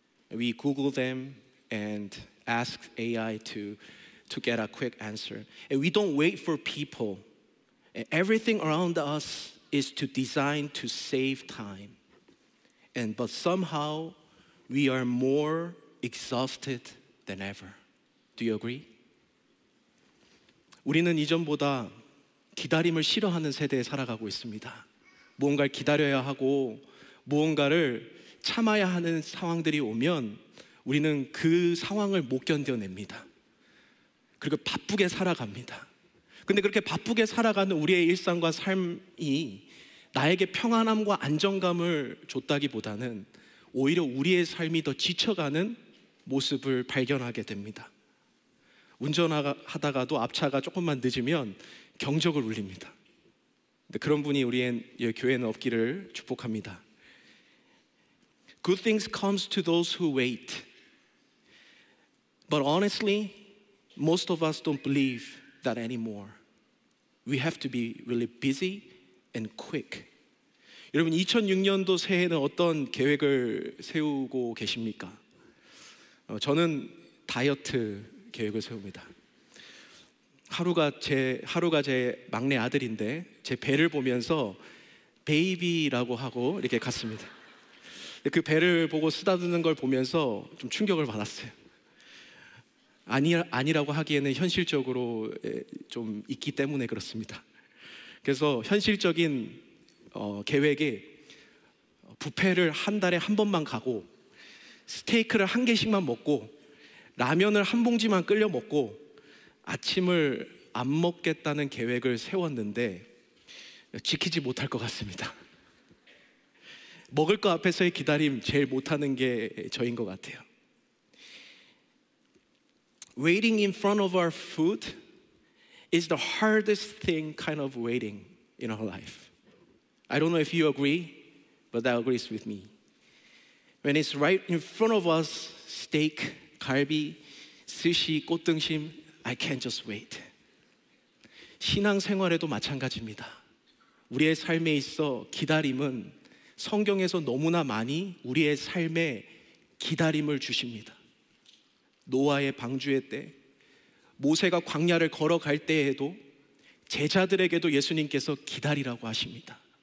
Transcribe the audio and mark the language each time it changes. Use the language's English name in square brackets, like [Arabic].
[English] We Google them and ask AI to get a quick answer. And we don't wait for people. And everything around us is designed to save time. But somehow, we are more exhausted than ever. Do you agree? [Korean] 우리는 이전보다 기다림을 싫어하는 세대에 살아가고 있습니다. 무언가를 기다려야 하고 무언가를 참아야 하는 상황들이 오면 우리는 그 상황을 못 견뎌냅니다. 그리고 바쁘게 살아갑니다. 근데 그렇게 바쁘게 살아가는 우리의 일상과 삶이 나에게 평안함과 안정감을 줬다기보다는 오히려 우리의 삶이 더 지쳐가는 모습을 발견하게 됩니다. 운전하다가도 앞차가 조금만 늦으면 경적을 울립니다. 그런데 그런 분이 우리의 교회는 없기를 축복합니다. [English] Good things comes to those who wait. But honestly, most of us don't believe that anymore. We have to be really busy and quick. [Korean] 여러분, 2006년도 새해는 어떤 계획을 세우고 계십니까? 저는 다이어트 계획을 세웁니다. 하루가 제 막내 아들인데 제 배를 보면서 베이비라고 하고 이렇게 갔습니다. 그 배를 보고 쓰다듬는 걸 보면서 좀 충격을 받았어요. 아니라고 하기에는 현실적으로 좀 있기 때문에 그렇습니다. 그래서 현실적인 계획에 뷔페를 한 달에 한 번만 가고 스테이크를 한 개씩만 먹고 라면을 한 봉지만 끓여 먹고 아침을 안 먹겠다는 계획을 세웠는데 지키지 못할 것 같습니다. 먹을 거 앞에서의 기다림 제일 못하는 게 저인 것 같아요. [English] Waiting in front of our food is the hardest thing kind of waiting in our life. I don't know if you agree, but that agrees with me. When it's right in front of us, steak, 갈비, 스시, 꽃등심, I can't just wait. [Korean] 신앙 생활에도 마찬가지입니다. 우리의 삶에 있어 기다림은 성경에서 너무나 많이 우리의 삶에 기다림을 주십니다. 노아의 방주의 때, 모세가 광야를 걸어갈 때에도 제자들에게도 예수님께서 기다리라고 하십니다.